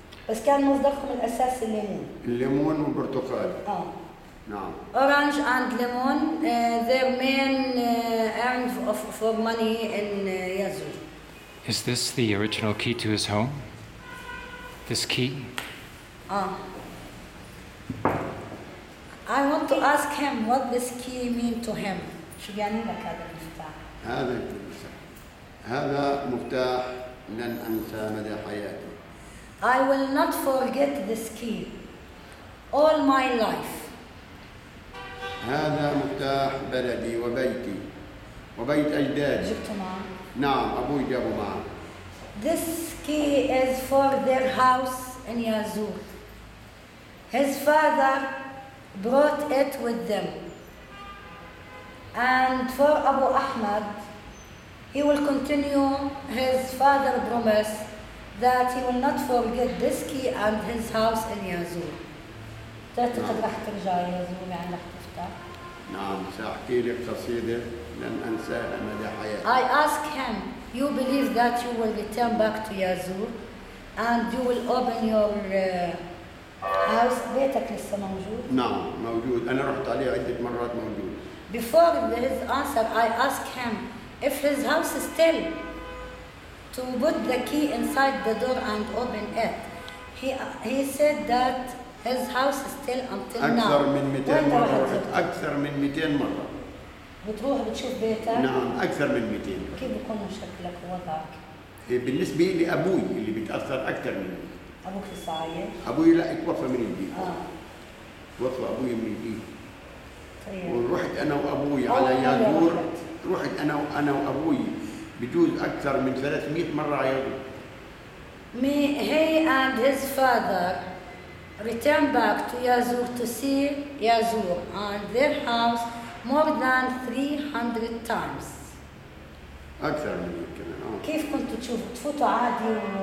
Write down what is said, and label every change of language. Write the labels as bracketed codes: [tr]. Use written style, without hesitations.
[ar] بس كان مصدرهم الأساسي الليمون. الليمون والبرتقال. [en] No. Orange and lemon, their main earn for money in Yazoo. Is this the original key to his home? This key? I want to ask him what this key mean to him. [ar] شو يعني لك هذا المفتاح؟ هذا المفتاح. هذا مفتاح لن أنسى مدى حياتي. [en] I will not forget this key all my life. [ar] هذا مفتاح بلدي وبيتي وبيت أجدادي. جبته معه. نعم، أبوي جابه معه. [en] This key is for their house in Yazoo. His father brought it with them. And for Abu Ahmad, he will continue his father's promise that he will not forget this key and his house in Yazoo. [ar] تعتقد راح ترجع Yazoo يعني راح تفتح؟ نعم سأحكي لك قصيدة لن أنساها مدى حياتي. [en] I ask him, you believe that you will return back to Yazoo and you will open your house, [ar] بيتك لسه موجود؟ نعم موجود، أنا رحت عليه عدة مرات موجود. [en] Before his answer, I asked him if his house is still to put the key inside the door and open it. He said that his house is still until [ar] أكثر [en] now. [ar] أكثر من 200 مرة. أكثر من 200 مرة. بتروح بتشوف بيتك؟ نعم أكثر من 200. كيف بيكون شكلك ووضعك؟ بالنسبة لي أبوي اللي بيتأثر أكثر مني. أبوك في الصعية؟ أبوي لا اتوفى من البيت. وقف أبوي من البيت. ورحت أنا وأبوي على يادور. رحت أنا وأبوي بجوز أكثر من 300 مرة على يادور. [en] Me, he and his father return back to Yazur to see Yazur and their house more than 300 times. [ar] أكثر من كمان. كيف كنت تشوف تفوتوا عادي